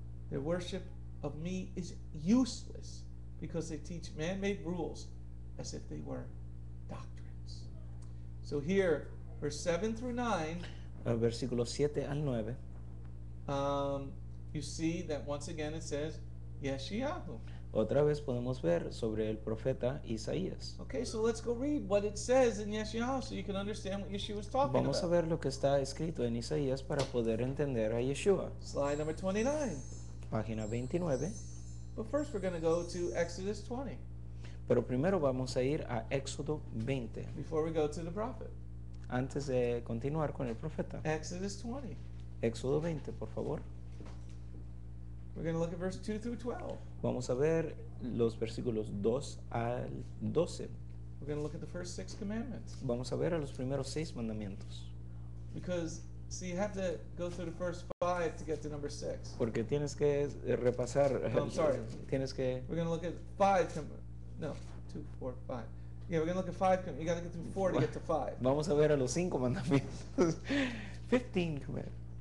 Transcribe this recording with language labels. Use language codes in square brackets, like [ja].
[en] Their worship of me is useless because they teach man-made rules as if they were doctrines." So here, verse 7 through 9, [es] versículo 7 al 9, [en] you see that once again it says, Yeshayahu. [es] Otra vez podemos ver sobre el profeta Isaías. [en] Okay, so let's go read what it says in Yeshayahu so you can understand what Yeshua is talking [es] Vamos [en] about. [es] A ver lo que está escrito en Isaías para poder entender a Yeshua. [en] Slide number 29. [es] Página 29. [en] But first we're going to go to Exodus 20. [es] Pero primero vamos a ir a Éxodo 20. [en] Before we go to the prophet. [es] Antes de continuar con el profeta. [en] Exodus 20. [es] Éxodo 20, por favor. [en] We're going to look at verse 2 through 12. [es] Vamos a ver los versículos 2 al 12. [en] We're going to look at the first six commandments. [es] Vamos a ver a los primeros seis mandamientos. [en] Because so you have to go through the first five to get to number six. [es] Porque tienes que repasar. [en] No, I'm sorry. [es] Tienes que. [en] We're going to look at five. No, two, four, five. Yeah, we're going to look at five. You got to get through four to get to five. [es] Vamos a ver a los cinco mandamientos. [en] 15 commandments.